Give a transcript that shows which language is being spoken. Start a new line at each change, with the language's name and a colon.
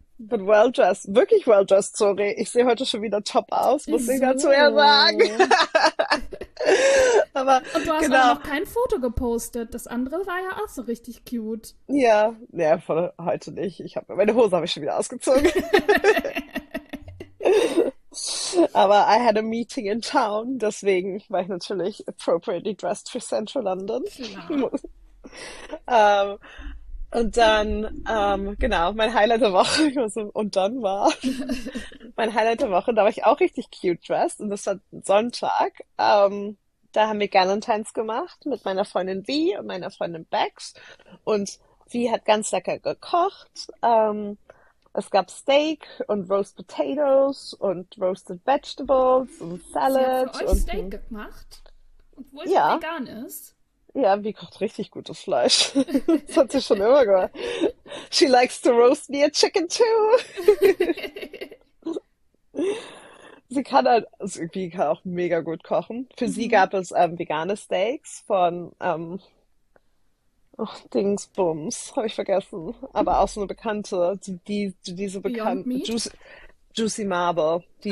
German: Bin
English: well dressed.
German: Wirklich
English: well dressed, sorry.
German: Ich sehe heute schon wieder top aus, muss ich dazu eher sagen. So. Aber Und du hast auch genau. noch kein Foto gepostet. Das andere war ja auch so richtig cute. Ja, von heute nicht. Meine Hose habe ich schon wieder ausgezogen. Aber
English: I had a meeting in town,
German: deswegen war ich natürlich
English: appropriately dressed for Central London.
German: Klar. Und dann, genau, mein Highlight der Woche, ich war so, und dann war mein Highlight der Woche, da war ich auch richtig cute dressed und das war Sonntag. Da haben wir Galentines gemacht mit meiner Freundin Vee und meiner Freundin Bex und Vee hat ganz lecker gekocht. Es gab Steak und Roast Potatoes und Roasted Vegetables und Sie hat für
English: Salad
German: euch und Steak gemacht, obwohl sie vegan ist. Ja, wie kocht richtig gutes Fleisch. Das hat sie schon immer gemacht.
English: She likes to roast me a chicken too.
German: Sie kann halt, also irgendwie kann auch mega gut kochen. Für sie gab es vegane Steaks von, oh, Dingsbums, habe ich vergessen. Aber auch so eine bekannte, diese
English: Beyond
German: bekannt,
English: Meat?
German: Juicy Marble, die